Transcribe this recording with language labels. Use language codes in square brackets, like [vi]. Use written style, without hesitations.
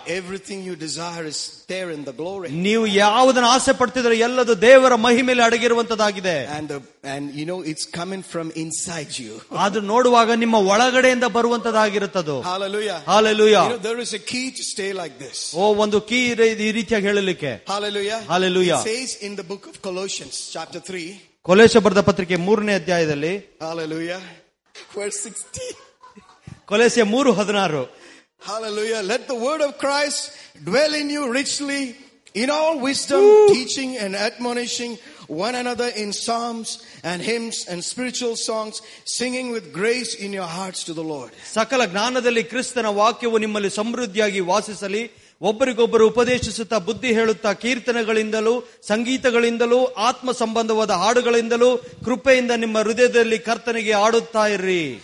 [en] Everything you desire is there in the glory. [kn] ನೀವು ಯಾವುದನ್ನು ಆಸೆ ಪಡ್ತಿದ್ರೆ ಎಲ್ಲದು ದೇವರ ಮಹಿಮೆಯಲ್ಲಿ ಅಡಗಿರುವಂತದಾಗಿದೆ [en] And you know, it's coming from inside you. [kn] ಅದು ನೋಡುವಾಗ ನಿಮ್ಮ ಒಳಗಡೆಯಿಂದ ಬರುವಂತದಾಗಿರುತ್ತದೆ [en] Hallelujah. Hallelujah. You know, there is a key to stay like this. [kn] ಓ ಒಂದು ಕೀ ಇದೆ ಈ ರೀತಿಯಾಗಿ ಹೇಳಲಿಕ್ಕೆ [en] Hallelujah. Hallelujah. It says in the book of Colossians, chapter 3. [kn] ಕೊಲೊಸೆ ಬರೆದ ಪತ್ರಿಕೆ ಮೂರನೇ ಅಧ್ಯಾಯದಲ್ಲಿ [en] Hallelujah. Verse 60. [kn] ಕೊಲೊಸೆ 3:16. [en] Hallelujah. Let the word of Christ dwell in you richly in all wisdom, Ooh. Teaching and admonishing one another in psalms and hymns and spiritual songs, singing with grace in your hearts to the Lord. [kn] ಸಕಲ ಜ್ಞಾನದಲ್ಲಿ ಕ್ರಿಸ್ತನ ವಾಕ್ಯವು ನಿಮ್ಮಲ್ಲಿ ಸಮೃದ್ಧಿಯಾಗಿ ವಾಸಿಸಲಿ ಒಬ್ಬರಿಗೊಬ್ಬರು ಉಪದೇಶಿಸುತ್ತಾ ಬುದ್ಧಿ ಹೇಳುತ್ತಾ ಕೀರ್ತನೆಗಳಿಂದಲೂ ಸಂಗೀತಗಳಿಂದಲೂ ಆತ್ಮ ಸಂಬಂಧವಾದ ಹಾಡುಗಳಿಂದಲೂ ಕೃಪೆಯಿಂದ ನಿಮ್ಮ ಹೃದಯದಲ್ಲಿ ಕರ್ತನಿಗೆ ಆಡುತ್ತಾ ಇರ್ರಿ